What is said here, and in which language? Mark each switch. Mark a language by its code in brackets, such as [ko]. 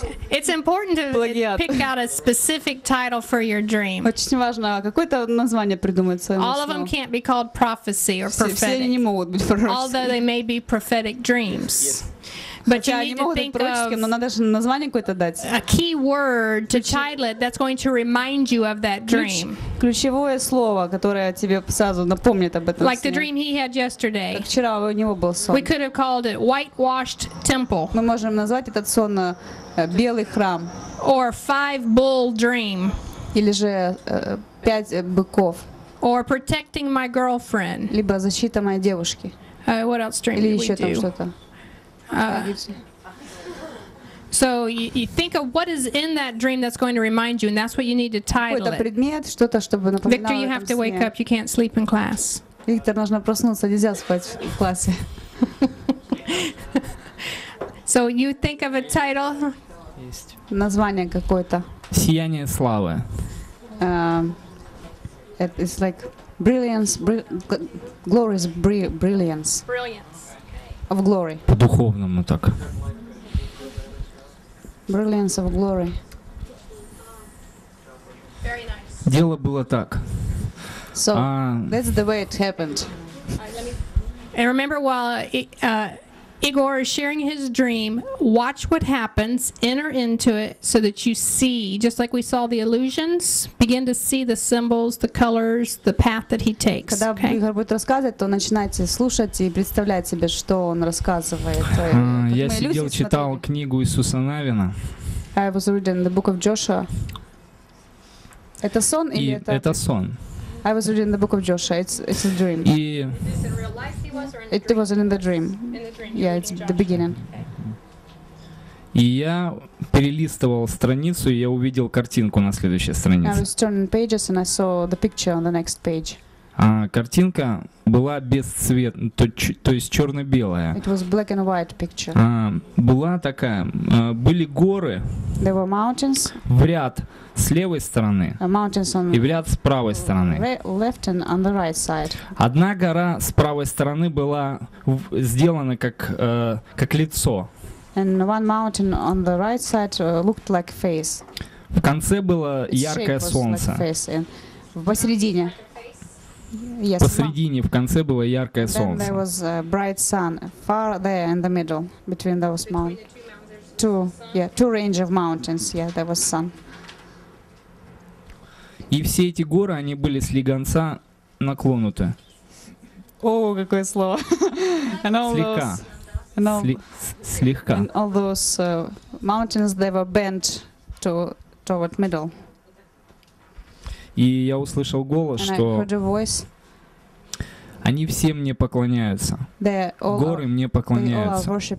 [en] It's important to pick out a specific title for your dream. [ru] Очень важно какое-то название придумать своему сну. [en] All of them can't be called prophecy or prophetic. [ru] Все они не могут быть пророческими. [en] Although they may be prophetic dreams. But you need to think of. [ru] Но надо же название какое-то дать. [en] A key word to title it that's going to remind you of that dream. [ru] Ключевое слово, которое тебе сразу напомнит об этом. [en] Like the dream he had yesterday. [ru] Как вчера у него был сон. [en] We could have called it whitewashed temple. [ru] Мы можем назвать этот сон белый храм. [en] Or five bull dream. [ru] Или же пять быков. [en] Or protecting my girlfriend. [ru] Либо защита моей девушки. [en] What else dream [ru] Или еще там что-то. [en] So you think of what is in that dream that's going to remind you, and that's what you need to title it. [ru] Какой-то предмет, что-то, чтобы напоминало о сне. [en] Victor, you have to wake up. You can't sleep in class. [ru] Виктор, нужно проснуться. Нельзя спать в классе. [en] So you think of a title. [ru] Есть. Название какое-то. Сияние славы. [en] It's like brilliance, glorious brilliance. Brilliant. Of glory. По-духовному так. Brilliance of glory. Very nice. [ru] Дело было так. [en] So, that's the way it happened. And remember while Igor is sharing his dream. Watch what happens. Enter into it so that you see, just like we saw the illusions, begin to see the symbols, the colors, the path that he takes. [ru] Когда Игорь будет рассказывать, то начинайте слушать и представлять себе, что он рассказывает. Я сидел, читал книгу Иисуса Навина. [en] I was reading the book of Joshua. [ru] Это сон или это? Это сон. [en] I was reading the book of Joshua. It's a dream. [ru] И... [en] It was in the dream. Yeah, it's the beginning. [ru] И я перелистывал страницу, и я увидел картинку на следующей странице. [en] I was turning pages and I saw the picture on the next page. [ru] А картинка была без цвета, то есть черно-белая. [en] It was black and white picture. [ru] А была такая, были горы. [en] There were mountains. [ru] В ряд с левой стороны. [en] Mountains on. [ru] И в ряд с правой стороны. [en] Left and on the right side. [ru] Одна гора с правой стороны была сделана как лицо. [en] And one mountain on the right side looked like face. [ru] В конце было яркое солнце. Посередине. Yes. Посередине, в конце было яркое солнце. [en] There was a bright sun far there in the middle between those mountains. Two range of mountains. Yeah, there was sun. [ru] И все эти горы, они были слегонца наклонуты. О, какое слово. Слегка. Слегка. [en] And all those mountains, they were bent toward middle. [ru] И я услышал голос, что они все мне поклоняются. Горы мне поклоняются.